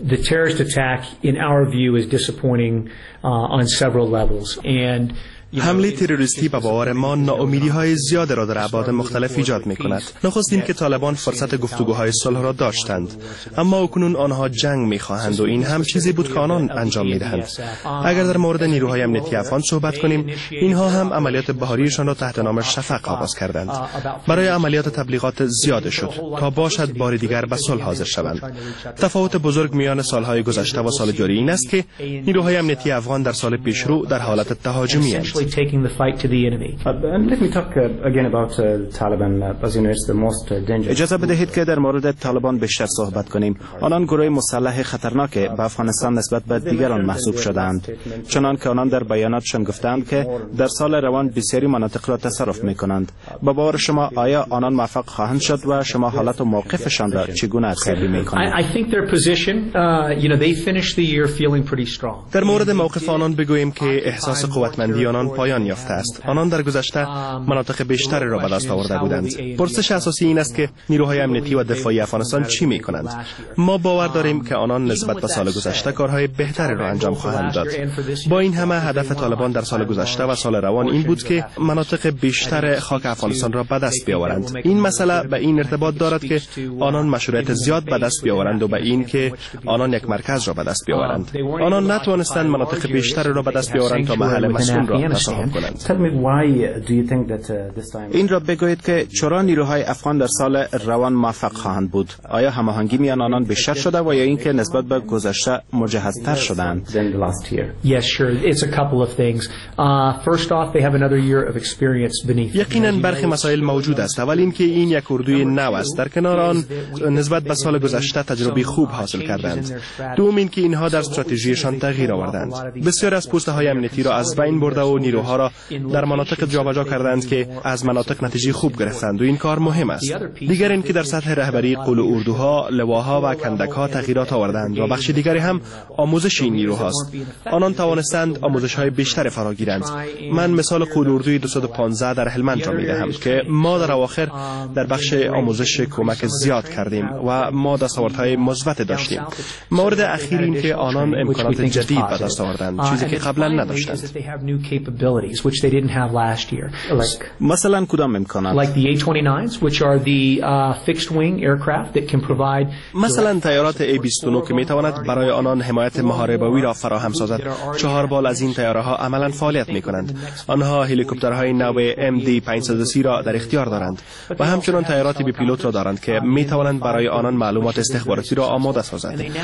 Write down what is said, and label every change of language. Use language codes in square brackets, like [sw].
[en] The terrorist attack, in our view, is disappointing on several levels. And [fa] حمله تروریستی به باور ما ناامیدی های زیاده را در ابعاد مختلف ایجاد می کند. نخواستیم که طالبان فرصت گفتگوهای صلح را داشتند. اما اکنون آنها جنگ می خواهند و این هم چیزی بود که آنان انجام می دهند. اگر در مورد نیروهای امنیتی افغان صحبت کنیم، اینها هم عملیات بهاریشان را تحت نام شفق آغاز کردند. برای عملیات تبلیغات زیاده شد تا باشد بار دیگر به صلح حاضر شوند. تفاوت بزرگ میان سالهای گذشته و سال جاری این است که نیروهای امنیتی افغان در سال پیشرو در حالت تهاجمی هستند. [en] Actually taking the fight to the enemy. And let me talk again about Taliban. As you know, it's the most dangerous. [fa] اجازه بدهید که در مورد طالبان بیشتر صحبت کنیم. آنان گروه مسلح خطرناک به افغانستان نسبت به دیگران محسوب شدند. چنان که آنان در بیاناتشان گفتند که در سال روان بسیاری مناطق را تصرف می کنند. به باور شما آیا آنان موفق خواهند شد و شما حالت و موقفشان را چگونه ارزیابی می کنید؟ [en] I think their position, you know, they finished the year feeling pretty strong. [fa] در مورد موقف آنان بگوییم که احساس قوتمندی آنان پایان یافته است. آنان در گذشته مناطق بیشتری را به دست آورده بودند. پرسش اساسی این است که نیروهای امنیتی و دفاعی افغانستان چی می کنند؟ ما باور داریم که آنان نسبت به سال گذشته کارهای بهتری را انجام خواهند داد. با این همه هدف طالبان در سال گذشته و سال روان این بود که مناطق بیشتر خاک افغانستان را به دست بیاورند. این مسئله به این ارتباط دارد که آنان مشروعیت زیاد به دست بیاورند و به این که آنان یک مرکز را به دست بیاورند. آنان نتوانستند مناطق بیشتری را به دست بیاورند تا محل مسکن [en] Tell me why do you think that this time? [fa] این را بگویید که چرا نیروهای افغان در سال روان موفق خواهند بود؟ آیا هماهنگی میان آنان بیشتر شده و یا اینکه نسبت به گذشته مجهزتر شدند؟ [en] Yes, sure. It's a couple of things. First off, they have another year of experience beneath. [fa] یقیناً برخی مسائل موجود است. اول اینکه این یک اردوی نو است. در کنار آن نسبت به سال گذشته تجربه خوب حاصل کردند. دوم اینکه اینها در استراتژیشان تغییر آوردند. بسیار از پوسته‌های امنیتی را از بین برد و نیروها را در مناطق جابجا کردند که از مناطق نتیجه خوب گرفتند و این کار مهم است. دیگر اینکه در سطح رهبری قلو اردوها، لواها و کندکها تغییرات آوردند و بخش دیگری هم آموزش این نیروهاست. آنان توانستند آموزش‌های بیشتر فرا گیرند. من مثال قلو اردوی 215 در هلمند را می‌دهم که ما در اواخر در بخش آموزش کمک زیاد کردیم و ما دستاوردهای مثبت داشتیم. مورد اخیر اینکه آنان امکانات جدید به دست آوردند، چیزی که قبلا نداشتند. [en] Capabilities which they didn't have last year. [fa] مثلاً کدام امکانات؟ [en] Like the A-29s, which are the fixed-wing aircraft that can provide. [fa] مثلاً تیارات A-29 که می‌تواند برای آنان حمایت محاربایی را فراهم سازد. چهار بال از این تیارها عملاً فعالیت می‌کنند. آنها هلیکوپترهای نو MD-530 را در اختیار دارند و همچنان تیارات بی‌پیلوت را دارند که می‌توانند برای آنان معلومات استخباراتی را آماده سازند.